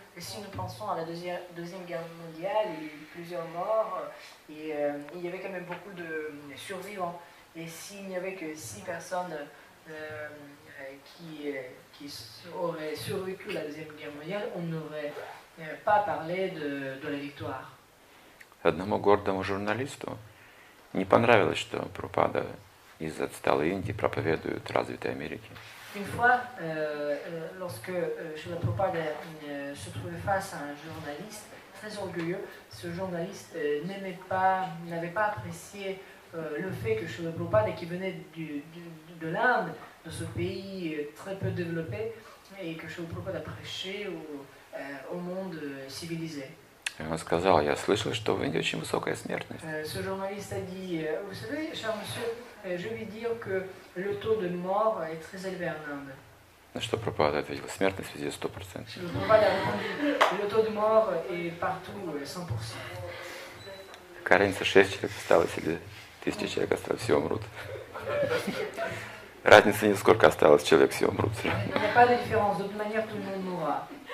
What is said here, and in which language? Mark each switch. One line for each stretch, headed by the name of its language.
French: Et si nous pensons à la deuxième guerre mondiale, il y a eu plusieurs morts, et il y avait quand même beaucoup de survivants. Et s'il n'y avait que 6 personnes qui auraient survécu à la deuxième guerre mondiale, on n'aurait pas parlé de la victoire.
Russian: Одному гордому журналисту не понравилось, что Прабхупада из отсталой Индии проповедует развитой Америке.
French: Une fois, lorsque Srila Prabhupada se trouvait face à un journaliste très orgueilleux, ce journaliste n'aimait pas, n'avait pas apprécié le fait que Srila Prabhupada, qui venait de l'Inde, de ce pays très peu développé, et que Srila Prabhupada prêchait au monde civilisé.
Russian: Он сказал, я слышал, что в Индии очень высокая смертность.
French: Ce journaliste a dit, vous savez, cher monsieur, je vais dire que le taux de mort est très élevé en Inde.
Russian: На что Прабхупада ответил, смертность везде 100%. Прабхупада ответил,
French: le taux de mort est partout 100%.
Russian: Кажется, 6 человек осталось или 1000 человек осталось, все умрут. Разницы нет, сколько осталось человек, все умрут.
French: Il n'y a pas de différence, de toute manière, tout le monde mourra.